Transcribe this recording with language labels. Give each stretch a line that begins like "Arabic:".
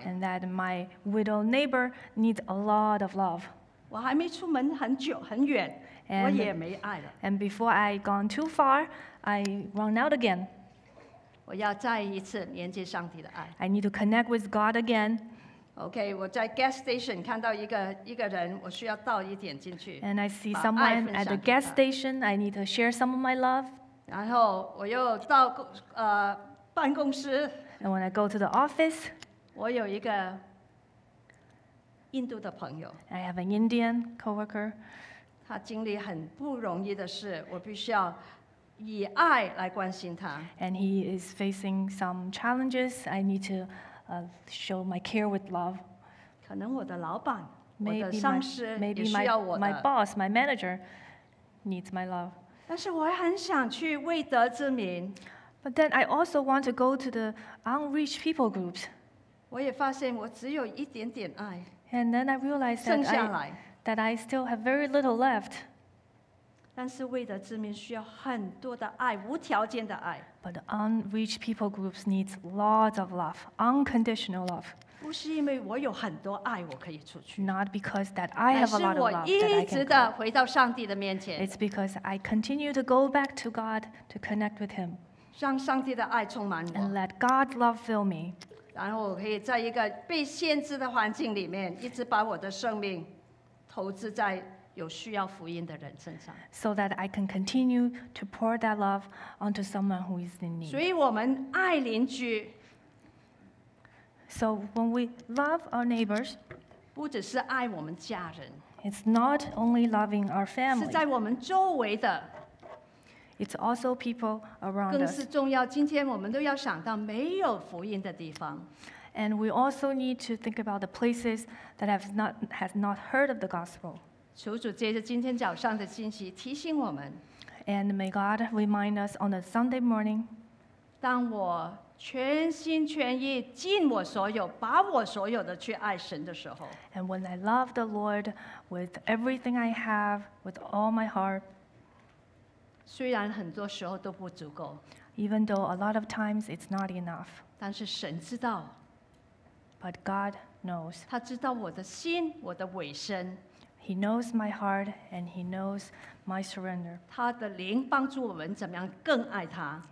English: And that my widow neighbor needs a lot of love.
Chinese: 我还没出门很久很远，我也没爱了。
English: And before I gone too far, I run out again.
Chinese: 我要再一次连接上帝的爱。
English: I need to connect with God again.
Chinese: Okay, 我在 gas station 看到一个人，我需要倒一点进去。
English: And I see someone at the gas station. I need to share some of my love.
Chinese: 然后我又到办公室。
English: And when I go to the office,
Chinese: 我有一个印度的朋友。
English: I have an Indian coworker.
Chinese: 他经历很不容易的事，我必须要以爱来关心他。
English: And he is facing some challenges. I need to show my care with love.
Chinese: 可能我的老板，
English: maybe
Chinese: 我的上司
English: maybe
Chinese: 也需要我的。
English: My boss, my manager needs my love.
Chinese: 但是我很想去未得之民。
English: But then I also want to go to the unreached people groups.
Chinese: 我也发现我只有一点点爱。
English: And then I realized that I still have very little left.
Chinese: 但是未得之民需要很多的爱，无条件的爱。
English: But the unreached people groups needs lots of love, unconditional love.
Chinese: 不是因为我有很多爱我可以出去。
English: Not because that I have a lot of love that I can go.
Chinese: 但是我一直的回到上帝的面前。
English: It's because I continue to go back to God to connect with Him.
Chinese: 让上帝的爱充满我。
English: And let God's love fill me.
Chinese: 然后我可以在一个被限制的环境里面，一直把我的生命投资在有需要福音的人身上。
English: So that I can continue to pour that love onto someone who is in need.
Chinese: 所以我们爱邻居。
English: So when we love our neighbors,
Chinese: 不只是爱我们家人,
English: it's not only loving our family,
Chinese: 是在我们周围的,
English: It's also people around us.
Chinese: 更是重要, 今天我们都要想到没有福音的地方。
English: And we also need to think about the places that have not heard of the gospel.
Chinese: 求主借着今天早上的信息提醒我们。
English: And may God remind us on a Sunday morning.
Chinese: 当我全心全意尽我所有，把我所有的去爱神的时候。
English: And when I love the Lord with everything I have, with all my heart.
Chinese: 虽然很多时候都不足够,
English: even though a lot of times it's not enough.
Chinese: 但是神知道,
English: but God knows.
Chinese: 他知道我的心，我的委身。
English: He knows my heart and He knows my surrender.
Chinese: 祂的灵帮助我们怎么样更爱祂。